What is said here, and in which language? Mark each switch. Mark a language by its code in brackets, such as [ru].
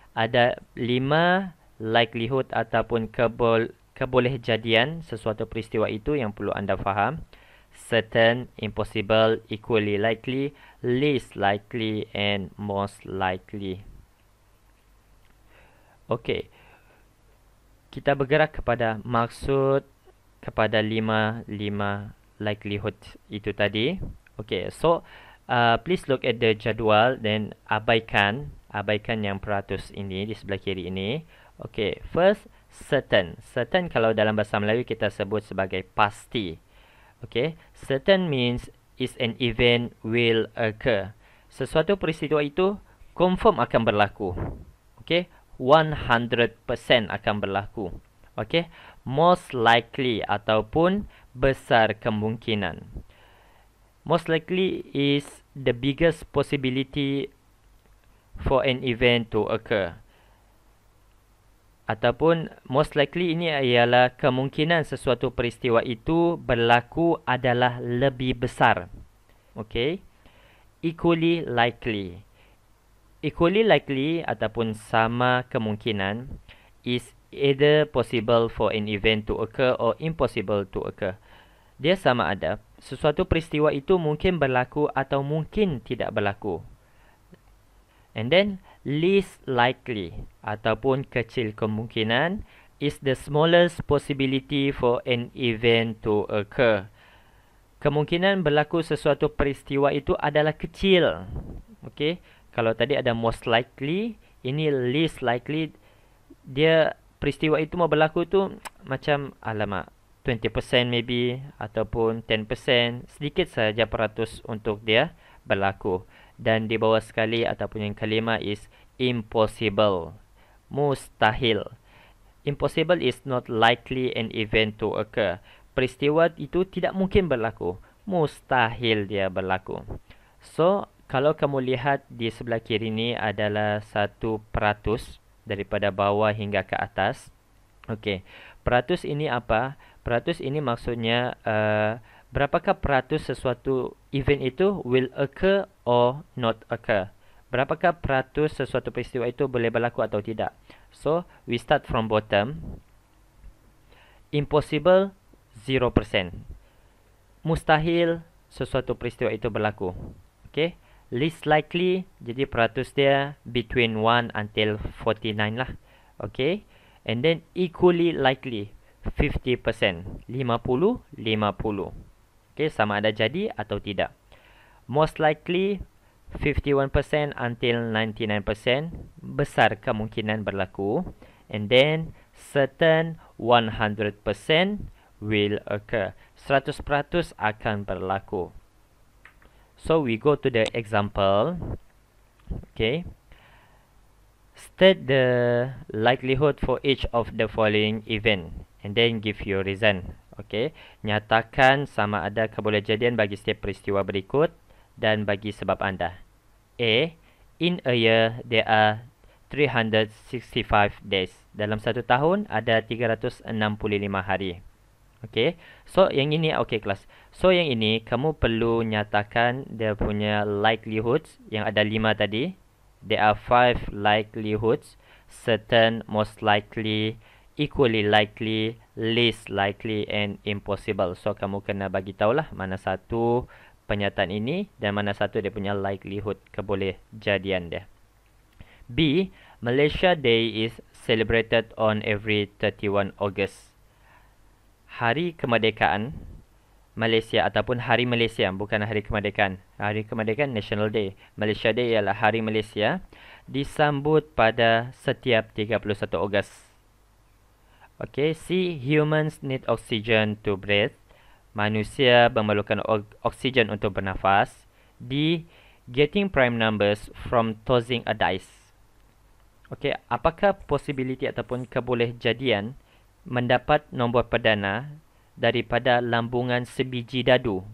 [ms] Ada 5 likelihood ataupun kebolehjadian sesuatu peristiwa itu yang perlu anda faham. [en] Certain, impossible, equally likely, least likely, and most likely. [ms] Okey, kita bergerak kepada maksud kepada 5 likelihood itu tadi. Okey, [en] so please look at the [ms] jadual dan abaikan yang peratus ini di sebelah kiri ini. Okey, [en] first certain. [ms] Certain kalau dalam bahasa Melayu kita sebut sebagai pasti. [en] Okey, certain means is an event will occur. [ms] Sesuatu peristiwa itu confirm akan berlaku. Okey. 100% akan berlaku. Okay, most likely ataupun besar kemungkinan. [en] Most likely is the biggest possibility for an event to occur. [ms] Ataupun most likely ini ialah kemungkinan sesuatu peristiwa itu berlaku adalah lebih besar. Okay. [en] Equally likely. Equally likely [ms] ataupun sama kemungkinan [en] is either possible for an event to occur or impossible to occur. [ms] Dia sama ada sesuatu peristiwa itu mungkin berlaku atau mungkin tidak berlaku. [en] And then, least likely [ms] ataupun kecil kemungkinan [en] is the smallest possibility for an event to occur. [ms] Kemungkinan berlaku sesuatu peristiwa itu adalah kecil. Okay? Kalau tadi ada most likely, ini least likely. Dia peristiwa itu mau berlaku tu macam, alamak, 20% maybe ataupun 10%. Sedikit sahaja peratus untuk dia berlaku. Dan di bawah sekali ataupun yang kelima [en] is impossible. [ms] Mustahil. [en] Impossible is not likely an event to occur. [ms] Peristiwa itu tidak mungkin berlaku. Mustahil dia berlaku. So, kalau kamu lihat di sebelah kiri ni adalah 1% daripada bawah hingga ke atas. Okey. Peratus ini apa? Peratus ini maksudnya berapakah peratus sesuatu event itu [en] will occur or not occur. [ms] Berapakah peratus sesuatu peristiwa itu boleh berlaku atau tidak. [en] So, we start from bottom. [ms] Impossible, 0%. Mustahil sesuatu peristiwa itu berlaku. Okay. Least likely, jadi peratus dia [en] between 1 until 49 [ms] lah. Okay. [en] And then, equally likely, 50%. 50, 50. [ms] Okay, sama ada jadi atau tidak. [en] Most likely, 51% until 99%. [ms] Besar kemungkinan berlaku. [en] And then, certain 100% will occur. 100% [ms] akan berlaku. [en] So, we go to the example. Okay. State the likelihood for each of the following event. And then, give your reason. [ms] Okay. Nyatakan sama ada kebolehjadian bagi setiap peristiwa berikut dan bagi sebab anda. A. [en] In a year, there are 365 days. [ms] Dalam satu tahun, ada 365 hari. Okay. So, yang ini, okay kelas. So, yang ini, kamu perlu nyatakan dia punya likelihoods yang ada 5 tadi. [en] There are 5 likelihoods. Certain, most likely, equally likely, least likely and impossible. [ms] So, kamu kena bagi tahulah mana satu penyataan ini dan mana satu dia punya likelihood kebolehjadian dia. B. [en] Malaysia Day is celebrated on every 31 August. [ms] Hari Kemerdekaan Malaysia ataupun Hari Malaysia, bukan Hari Kemerdekaan. Hari Kemerdekaan National Day. Malaysia Day ialah Hari Malaysia disambut pada setiap 31 Ogos. Okay, C. [en] Humans need oxygen to breathe. [ms] Manusia memerlukan oksigen untuk bernafas. [en] D. Getting prime numbers from tossing a dice. [ms] Okay, apakah possibility ataupun kebolehjadian mendapat nombor perdana daripada lambungan sebiji dadu?